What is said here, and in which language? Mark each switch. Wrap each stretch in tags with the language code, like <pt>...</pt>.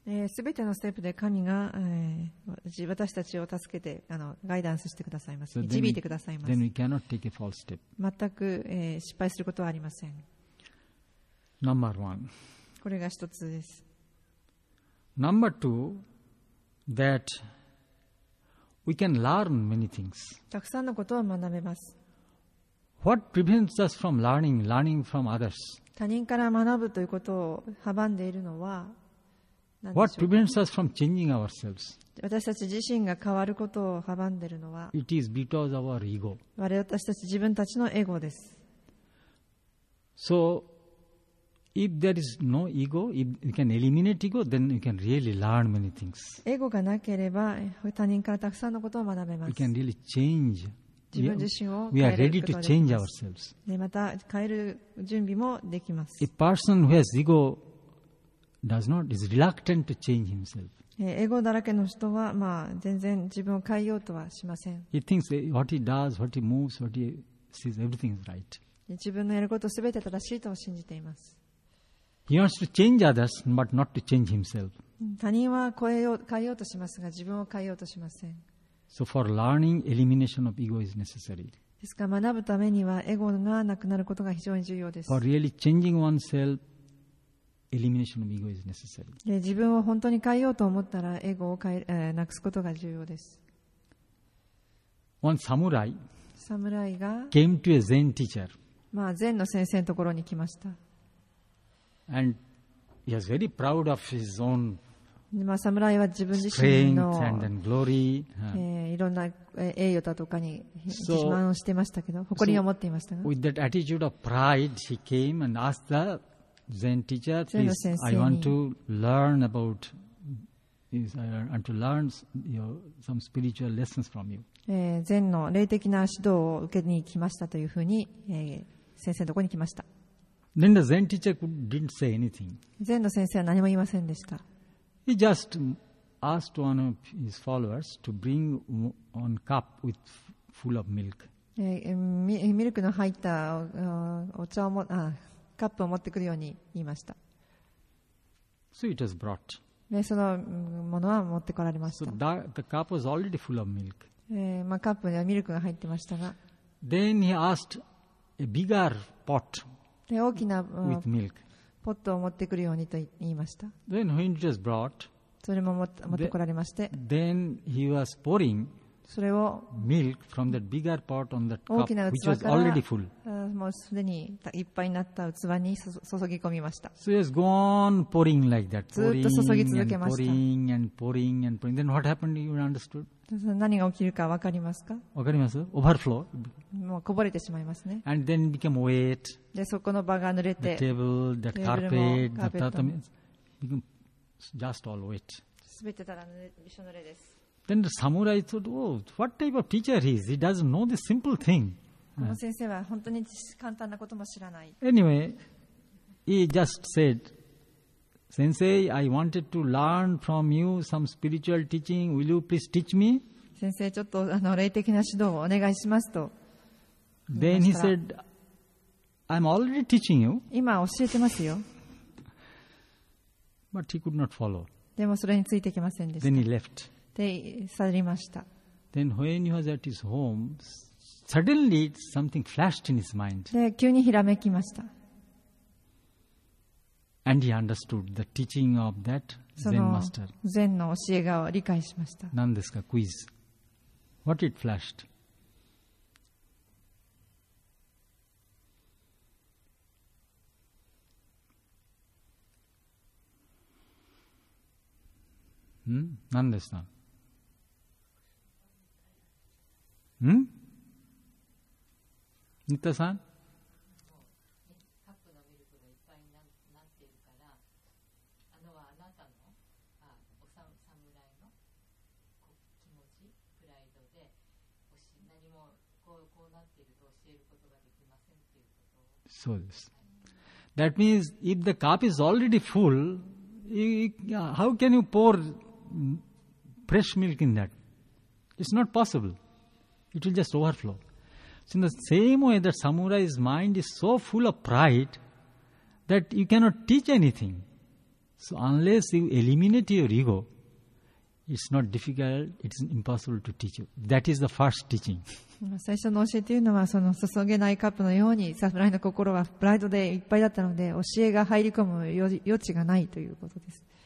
<ja>すべてのステップで神が、私たちを助けてガイダンスしてくださいます。</ja> <en>So、</en> <ja>導いてくださいます。</ja> <en>Then we cannot take a false step.</en> <ja>全く、失敗することはありません。</ja> <en>Number one.</en> <ja>これが一つです。</ja> <en>Number two, that we can learn many things.</en> <ja>たくさんのことを学べます。</ja> <en>What prevents us from learning from others?</en> <ja>他人から学ぶということを阻んでいるのは、</ja> <en>What prevents us from changing ourselves?</en> <ja>私たち自身が変わることを阻んでいるのは、</ja> <en>It is because of our ego.</en> <ja>私たち自分たちのエゴです。</ja> <en>So, if there is no ego, if we can eliminate ego, then we can really learn many things.</en> <ja>エゴがなければ、他人からたくさんのことを学べます。</ja> <en>We can really change.</en> <ja>自分自身を変えることができます。</ja> <en>We are ready to change ourselves.</en> <ja>で、また変える準備もできます。</ja> <en>A person who has ego,Does not, is reluctant to change himself.</en> <ja>エゴだらけの人は、まあ、全然自分を変えようとはしません。</ja> <en>He thinks what he does, what he moves, what he sees, everything is right.</en> <ja>自分のやることすべて正しいと信じています。</ja> <en>He wants to change others, but not to change himself.</en> <ja>他人は変えようとしますが、自分を変えようとしません。</ja> <en>So for learning, elimination of ego is necessary.</en> <ja>ですから学ぶためにはエゴがなくなることが非常に重要です。</ja> <en>For really changing oneself,Elimination of ego is necessary.</en> <ja>自分を本当に変えようと思ったらエゴを変え、なくすことが重要です。</ja> <en>One samurai,</en> <ja>samurai が</ja> <en>came to a Zen teacher.</en> <ja>まあ禅の先生のところに来ました。</ja> <en>And he was very proud of his own strength and then glory.</en> <ja>いろんな栄誉だとかに自慢をしてましたけど、誇りを持っていましたが。</ja> <en>With that attitude of pride, he came and asked the Zen teacher, please, I want to learn about, I want to learn some spiritual lessons from you.</en> <ja>Zen の霊的な指導を受けに来ましたというふうに、先生のところに来ました。</ja> <en>Then the Zen teacher didn't say anything.</en> <ja>Zen の先生は何も言いませんでした。</ja> <en>He just asked one of his followers to bring one cup with full of milk.</en> <ja>ミルクの入ったお茶をも、あ、カップを持ってくるように言いました。</ja> <en>So it was brought.</en> <ja>で、そのものは持ってこられました。</ja> <en>So the cup was already full of milk.</en> <ja>まあ、カップにはミルクが入ってましたが。</ja> <en>Then he asked a bigger pot.</en> <ja>で、大きな、</ja> <en>with milk.</en> <ja>ポットを持ってくるようにと言いました。</ja> <en>Then when it was brought.</en> <ja>それも持ってこられまして。</ja> <en>Then he was pouring.</en> <ja>それを</ja> <en>milk from that bigger pot on that cup,</en> <ja>大きな器から</ja> <en>which was already full.</en> <ja>もうすでにいっぱいになった器に注ぎ込みました。</ja> <en>So he has gone pouring like that.</en> <ja>ずっと注ぎ続けました。</ja> <en>Pouring and pouring and pouring and pouring. Then what happened? You understood?</en> <ja>何が起きるか分かりますか？分かります。</ja> <en>Overflow.</en> <ja>もうこぼれてしまいますね。</ja> <en>And then became wet.</en> <ja>でそこの場が濡れて、</ja> <en>the table, the carpet, the tatami, became just all wet.</en> <ja>すべてただびしょ濡れです。</ja> <en>Then the samurai thought, oh, what type of teacher he is? He doesn't know this simple thing.</en> <ja>この先生は本当に簡単なことも知らない。</ja> <en>Anyway, he just said, Sensei, I wanted to learn from you some spiritual teaching. Will you please teach me?</en> <ja>先生、ちょっと霊的な指導をお願いしますと。</ja> <en>Then he said, I'm already teaching you.</en> <ja>今教えてますよ。</ja> <en>But he could not follow.</en> <ja>でもそれについていけませんでした。</ja> <en>Then he left.</en> <ja>で去りました。</ja> <en>Then when he was at his home, suddenly something flashed in his mind.</en> <ja>で急にひらめきました。</ja> <en>And he understood the teaching of that Zen master.</en> <ja>その禅の教えが理解しました。何ですか</ja> <en>Quiz. What it flashed?</en> <ja>ん？何でした？ん？ニッタさん？カップのミルクがいっぱいになっているから、はあなたの、お侍の気持ち、プライドで、何もこうなっていると教えることができませんっていうこと。そうです。</ja> <en>That means if the cup is already full, how can you pour fresh milk in that? It's not possible. It will just overflow. So in the same way, that samurai's mind is so full of pride that you cannot teach anything. So unless you eliminate your ego, it's not difficult, it's impossible to teach you. That is the first teaching.</en> <ja>最初の教えというのは、その注げないカップのように、サムライの心はプライドでいっぱいだったので、教えが入り込む余地がないということです。</ja>